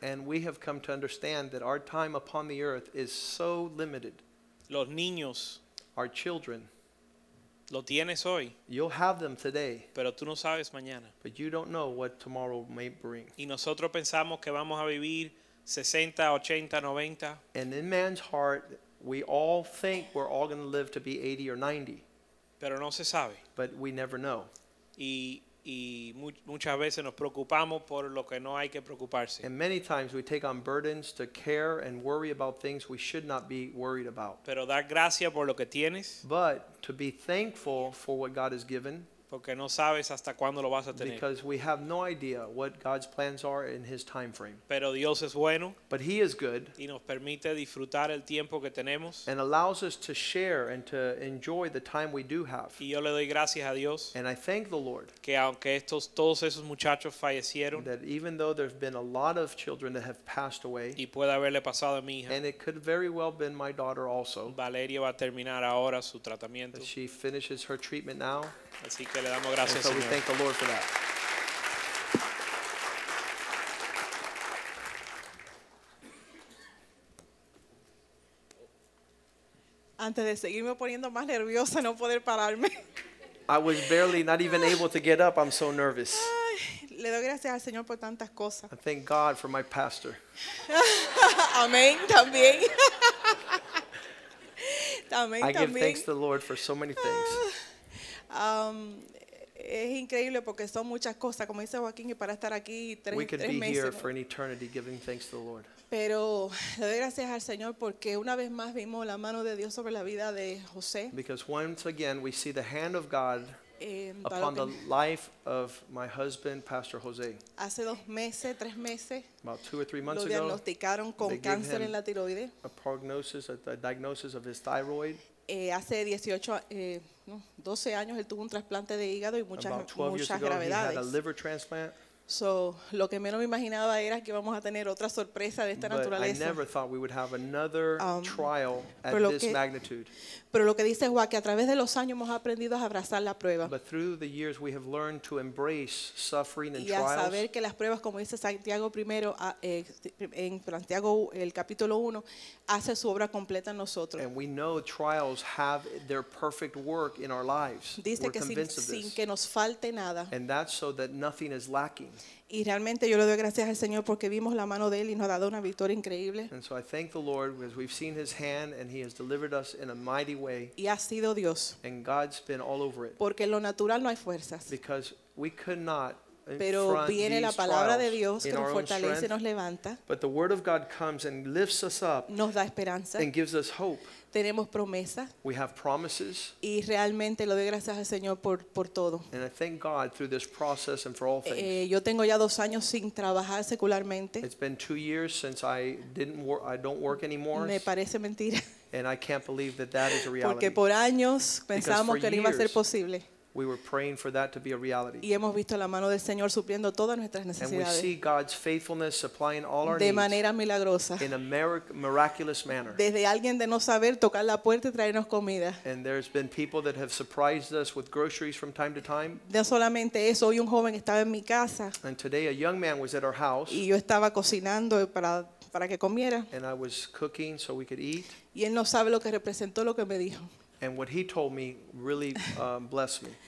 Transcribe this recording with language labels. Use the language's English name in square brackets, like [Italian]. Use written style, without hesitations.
[English] And we have come to understand that our time upon the earth is so limited. [Spanish] Los niños, [English] our children, [Spanish] lo tienes hoy. [English] You'll have them today. [Spanish] Pero tú no sabes mañana. [English] But you don't know what tomorrow may bring. [Spanish] Y nosotros pensamos que vamos a vivir 60, 80, 90. [English] And in man's heart, we all think we're all going to live to be 80 or 90. [Spanish] Pero no se sabe. [English] But we never know. [Spanish] Y muchas veces nos preocupamos por lo que no hay que preocuparse. [English] And many times we take on burdens to care and worry about things we should not be worried about. [Spanish] Pero dar gracias por lo que tienes. [English] But to be thankful for what God has given. [Spanish] Porque no sabes hasta cuándo lo vas a tener. [English] Because we have no idea what God's plans are in His time frame. [Spanish] Pero Dios es bueno. [English] But He is good. [Spanish] Y nos permite disfrutar el tiempo que tenemos. [English] And allows us to share and to enjoy the time we do have. [Spanish] Y yo le doy gracias a Dios. [English] And I thank the Lord. [Spanish] Que aunque estos todos esos muchachos fallecieron. [English] That even though there have been a lot of children that have passed away. [Spanish] Y puede haberle pasado a mi hija. [English] And it could very well have been my daughter also. [Spanish] Valeria va a terminar ahora su tratamiento. [English] That she finishes her treatment now. [Spanish] Así que le damos gracias, [English] so we thank the Lord for that. [Spanish] Antes de seguirme poniendo más nerviosa, no poder pararme. [English] I was barely not even able to get up. I'm so nervous. [Spanish] Le doy gracias al Señor por tantas cosas. [English] I thank God for my pastor. [Spanish] Amén, también. También. [English] I give thanks to the Lord for so many things. [Spanish] Es increíble porque son muchas cosas, como dice Joaquín, y para estar aquí tres meses. [English] We could be here for an eternity giving thanks to the Lord. [Spanish] Pero le doy gracias al Señor porque una vez más vimos la mano de Dios sobre la vida de José. [English] Because once again we see the hand of God upon the life of my husband, Pastor Jose. [Spanish] Hace dos meses, tres meses, [English] about 2 or 3 months [Spanish] lo diagnosticaron [English] ago, [Spanish] con cáncer en la tiroides. [English] A prognosis, a diagnosis of his thyroid. [Spanish] Hace 12 años él tuvo un trasplante de hígado y muchas gravedades. [English] He had a liver transplant. [Spanish] So, lo que menos me imaginaba era que íbamos a tener otra sorpresa de esta [English] but [Spanish] naturaleza. [English] I never thought we would have another trial at this magnitude. [Spanish] Pero lo que dice Juan, que a través de los años hemos aprendido a abrazar la prueba. [English] But through the years we have learned to embrace suffering and [Spanish] y a [English] trials. [Spanish] Y saber que las pruebas, como dice Santiago primero, en Santiago el capítulo 1, hace su obra completa en nosotros. [English] And we know trials have their perfect work in our lives. [Spanish] Dice [English] we're [Spanish] que [English] convinced [Spanish] sin, [English] of this. [Spanish] Sin que nos falte nada. [English] And that's so that nothing is lacking. [Spanish] Y realmente yo le doy gracias al Señor porque vimos la mano de él y nos ha dado una victoria increíble. [English] And so I thank the Lord because we've seen his hand and he has delivered us in a mighty way. [Spanish] Y ha sido Dios. [English] And God's been all over it. [Spanish] Porque en lo natural no hay fuerzas. [English] Because we could not [Spanish] pero viene la palabra de Dios que nos fortalece y nos levanta. [English] But the word of God comes and lifts us up. [Spanish] Nos da esperanza. [English] And gives us hope. [Spanish] Tenemos promesas. [English] We have promises. [Spanish] Y realmente lo doy gracias al Señor por todo. [English] And I thank God through this process and for all things. [Spanish] Yo tengo ya 2 años sin trabajar secularmente. [English] It's been 2 years since I don't work anymore. [Spanish] Me parece mentira. [English] And I can't believe that that is a reality. [Spanish] Porque por años pensábamos que no iba a ser posible. [English] We were praying for that to be a reality. [Spanish] Y hemos visto la mano del Señor supliendo todas nuestras necesidades. [English] And we see God's faithfulness supplying all our needs. [Spanish] De manera milagrosa. [English] In a miraculous manner. [Spanish] Desde alguien de no saber tocar la puerta y traernos comida. [English] And there's been people that have surprised us with groceries from time to time. [Spanish] No solamente eso, hoy un joven estaba en mi casa. [English] And today a young man was at our house. [Spanish] Y yo estaba cocinando para que comiera. [English] And I was cooking so we could eat. [Spanish] Y él no sabe lo que representó lo que me dijo. [English] And what he told me really blessed me.